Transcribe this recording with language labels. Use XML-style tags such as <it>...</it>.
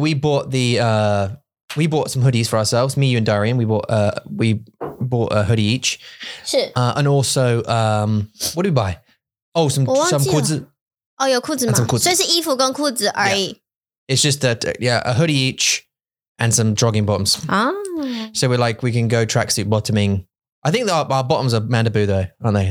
<en>but we bought some hoodies for ourselves me you and Darian we bought a hoodie each</en> <zh>是、</zh> <en>and also what did we buy oh some</en> <zh>裤子哦有裤子吗所以是衣服跟裤子而已、</zh> <en>yeah. it's just that yeah a hoodie each and some jogging bottoms、啊、 so we're like we can go tracksuit bottoming I think our bottoms are Mandibu though, aren't they?</en>